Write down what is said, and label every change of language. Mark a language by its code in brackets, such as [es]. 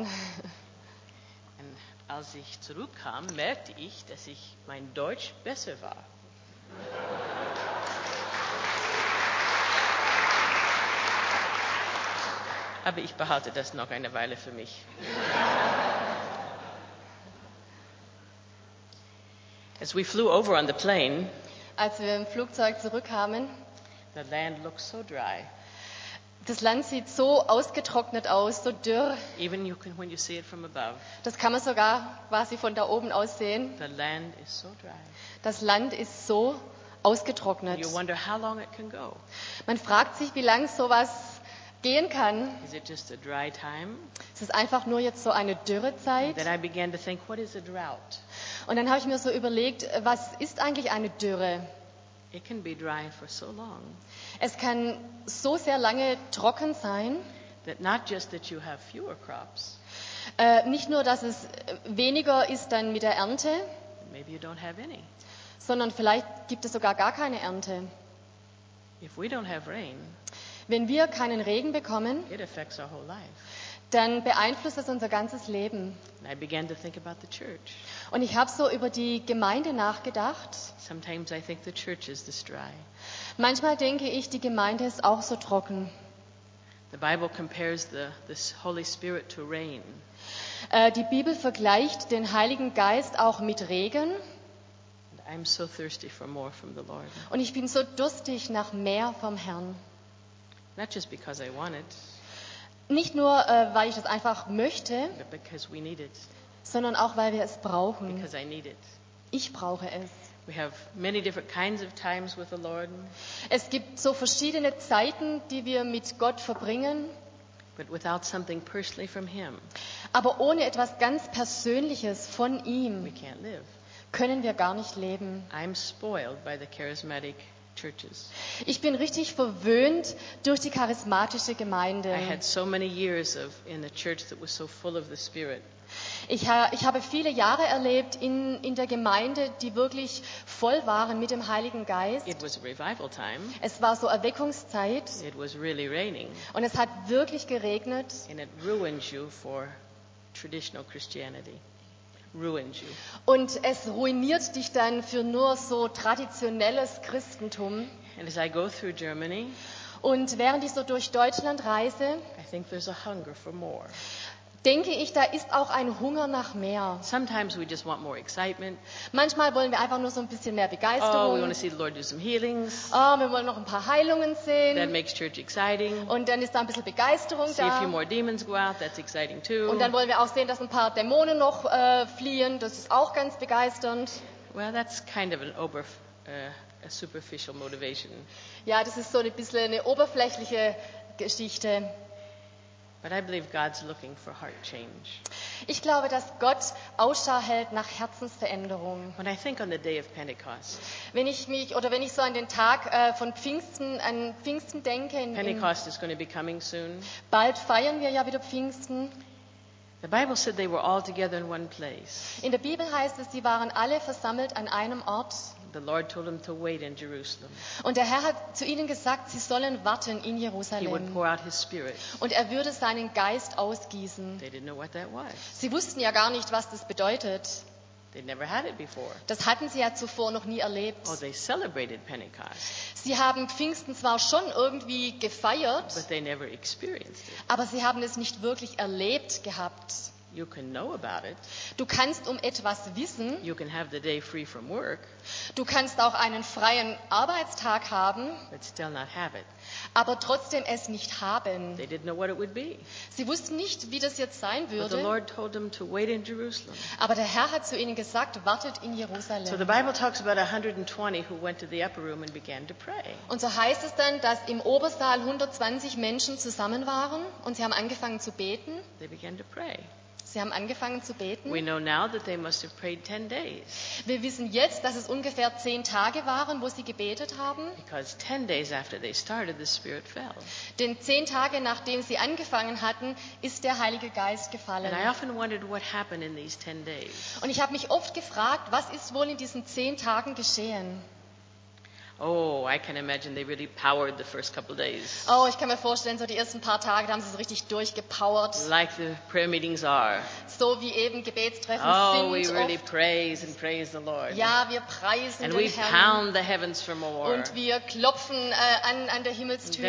[de] Und als ich zurückkam, merkte ich, dass ich mein Deutsch besser war. Aber ich behalte das noch eine Weile für mich. [en] As we flew over on the plane, [de] als wir im Flugzeug zurückkamen, [en] the land looked so dry. [de] Das Land sieht so ausgetrocknet aus, so dürr. [en] Even you can, when you see it from above. [de] Das kann man sogar quasi von da oben aus sehen. [en] The land is so dry. [de] Das Land ist so ausgetrocknet. [en] You wonder how long it can go. [de] Man fragt sich, wie lange sowas gehen kann. [en] Is it just a dry time? [de] Es ist einfach nur jetzt so eine Dürrezeit. [en] And then I began to think, what is a drought? [de] Und dann habe ich mir so überlegt, was ist eigentlich eine Dürre? [en] It can be dry for so long. [de] Es kann so sehr lange trocken sein. [en] That not just that you have fewer crops. [de] Nicht nur, dass es weniger ist dann mit der Ernte. [en] Maybe you don't have any. [de] Sondern vielleicht gibt es sogar gar keine Ernte. [en] If we don't have rain, [de] wenn wir keinen Regen bekommen, [en] it affects our whole life. [de] Dann beeinflusst das unser ganzes Leben. [en] I began to think about the church. [de] Und ich habe so über die Gemeinde nachgedacht. [en] Sometimes I think the church is this dry. [de] Manchmal denke ich, die Gemeinde ist auch so trocken. [en] The Bible compares the Holy Spirit to rain. [de] Die Bibel vergleicht den Heiligen Geist auch mit Regen. [en] And I'm so thirsty for more from the Lord. [de] Und ich bin so durstig nach mehr vom Herrn. [en] Not just because I want it. [de] Nicht nur, weil ich das einfach möchte, [en] but because we need it. [de] Sondern auch, weil wir es brauchen. [en] Because I need it. [de] Ich brauche es. [en] We have many different kinds of times with the Lord. [de] Es gibt so verschiedene Zeiten, die wir mit Gott verbringen. [en] But without something personally from him, [de] aber ohne etwas ganz Persönliches von ihm, [en] we can't live. [de] Können wir gar nicht leben. [en] I'm spoiled by the charismatic churches. [de] Ich bin richtig verwöhnt durch die charismatische Gemeinde. [en] I had so many years of in a church that was so full of the Spirit. [de] Ich habe viele Jahre erlebt in der Gemeinde, die wirklich voll waren mit dem Heiligen Geist. [en] It was a revival time. [de] Es war so Erweckungszeit. [en] It was really raining. [de] Und es hat wirklich geregnet. [en] And it ruins you for traditional Christianity. Ruins you. [de] Und es ruiniert dich dann für nur so traditionelles Christentum. [en] And as I go through Germany, [de] und während ich so durch Deutschland reise, [en] I think there's a hunger for more. [de] Denke ich, da ist auch ein Hunger nach mehr. [en] Sometimes we just want more excitement. [de] Manchmal wollen wir einfach nur so ein bisschen mehr Begeisterung. [en] Oh, we want to see the Lord do some healings. [de] Oh, wir wollen noch ein paar Heilungen sehen. [en] That makes church exciting. [de] Und dann ist da ein bisschen Begeisterung [en] see [de] da. [en] A few more demons go out. That's exciting too. [de] Und dann wollen wir auch sehen, dass ein paar Dämonen noch fliehen. Das ist auch ganz begeisternd. [en] Well, that's kind of an over a superficial motivation. [de] Ja, das ist so ein bisschen eine oberflächliche Geschichte. [en] But I believe God's looking for heart change. [de] Ich glaube, dass Gott Ausschau hält nach Herzensveränderung. [en] When I think on the day of Pentecost, [de] wenn ich so an den Tag von Pfingsten, an Pfingsten denke, [en] Pentecost is going to be coming soon. [de] Bald feiern wir ja wieder Pfingsten. [en] The Bible said they were all together in one place. [de] In der Bibel heißt es, sie waren alle versammelt an einem Ort. [en] The Lord told them to wait in Jerusalem. [de] Und der Herr hat zu ihnen gesagt, sie sollen warten in Jerusalem. [en] He would pour out his spirit. [de] Und er würde seinen Geist ausgießen. [en] They didn't know what that was. [de] Sie wussten ja gar nicht, was das bedeutet. [en] They never had it before. [de] Das hatten sie ja zuvor noch nie erlebt. [en] Oh, they celebrated Pentecost. [de] Sie haben Pfingsten zwar schon irgendwie gefeiert, [en] but they never experienced it. [de] Aber sie haben es nicht wirklich erlebt gehabt. [en] You can know about it. [de] Du kannst um etwas wissen. [en] You can have the day free from work. [de] Du kannst auch einen freien Arbeitstag haben. [en] But still not have it. [de] Aber trotzdem es nicht haben. [en] They didn't know what it would be. [de] Sie wussten nicht, wie das jetzt sein würde. [en] But the Lord told them to wait in Jerusalem. [de] Aber der Herr hat zu ihnen gesagt, wartet in Jerusalem. [en] So the Bible talks about 120 who went to the upper room and began to pray. [de] Und so heißt es dann, dass im Obersaal 120 Menschen zusammen waren und sie haben angefangen zu beten. [en] They began to pray. [de] Sie haben angefangen zu beten. [en] We know now that they must have prayed 10 days. [de] Wir wissen jetzt, dass es ungefähr 10 Tage waren, wo sie gebetet haben. [en] Because 10 days after they started, the Spirit fell. [de] Denn 10 Tage nachdem sie angefangen hatten, ist der Heilige Geist gefallen. [en] And I often wondered what happened in these 10 days. [de] Und ich habe mich oft gefragt, was ist wohl in diesen 10 Tagen geschehen? [en] Oh, I can imagine they really powered the first couple of days. [de] Oh, ich kann mir vorstellen, so die ersten paar Tage, da haben sie so richtig durchgepowert. [en] Like the prayer meetings are. [de] So wie eben Gebetstreffen oh, sind. [en] Oh, we really [de] oft. [en] Praise and praise the Lord. [de] Ja, wir preisen [en] and [de] den Herrn. [en] And we pound the heavens for more. [de] Und wir klopfen an der Himmelstür.